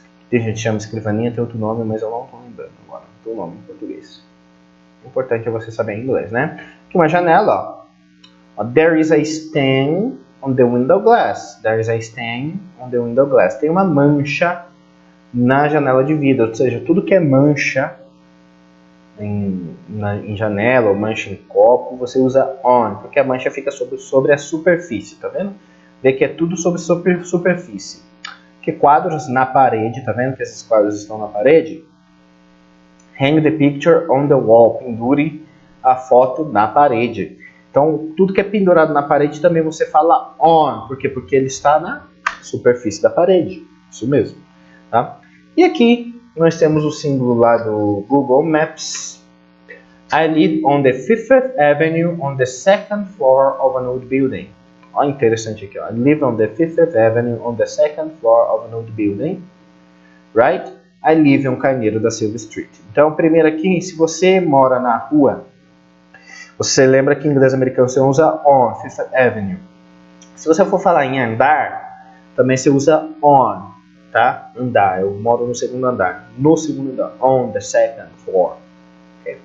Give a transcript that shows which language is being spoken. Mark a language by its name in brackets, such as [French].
[Portuguese] Tem gente que chama escrivaninha, tem outro nome, mas eu não estou lembrando agora do nome em português. O importante é você saber inglês, né? Aqui uma janela, ó. [English] There is a stain on the window glass. There is a stain on the window glass. [Portuguese] Tem uma mancha na janela de vidro. Ou seja, tudo que é mancha em janela ou mancha em copo, você usa on, porque a mancha fica sobre a superfície, tá vendo? Vê que é tudo sobre superfície. Que quadros na parede, tá vendo que esses quadros estão na parede? [English] Hang the picture on the wall. [Portuguese] Pendure a foto na parede. Então, tudo que é pendurado na parede também você fala on. Por quê? Porque ele está na superfície da parede. Isso mesmo. Tá? E aqui nós temos o símbolo lá do Google Maps. [English] I live on the Fifth Avenue on the second floor of an old building. [Portuguese] Ó, interessante aqui. Ó. [English] I live on the Fifth Avenue on the second floor of an old building. Right? I live on Carneiro da Silva Street. [Portuguese] Então, primeiro aqui, se você mora na rua, você lembra que em inglês americano você usa on, Fifth Avenue. Se você for falar em andar, também você usa on, tá? Andar, eu moro no segundo andar. No segundo andar, [English] on the second floor. [Portuguese] Okay?